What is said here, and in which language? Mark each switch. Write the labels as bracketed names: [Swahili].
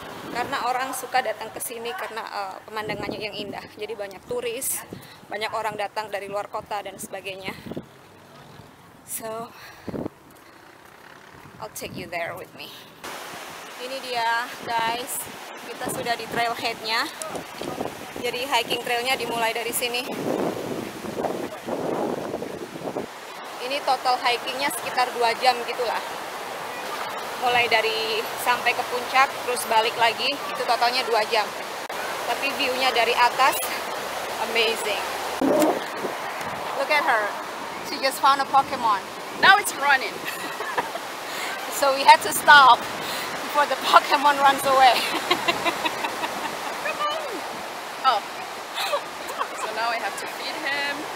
[Indonesian] Karena orang suka datang ke sini karena pemandangannya yang indah. Jadi banyak turis, banyak orang datang dari luar kota dan sebagainya. [English] So, I'll take you there with me. [Indonesian] Ini dia, guys. Kita sudah di trailhead-nya. Jadi hiking trail-nya dimulai dari sini. Ini total hiking-nya sekitar 2 jam gitulah. Mulai dari sampai ke puncak terus balik lagi, itu totalnya 2 jam. Tapi view-nya dari atas amazing. [English] Look at her. She just found a Pokemon. Now it's running. So we had to stop before the Pokemon runs away. Oh. So now I have to feed him.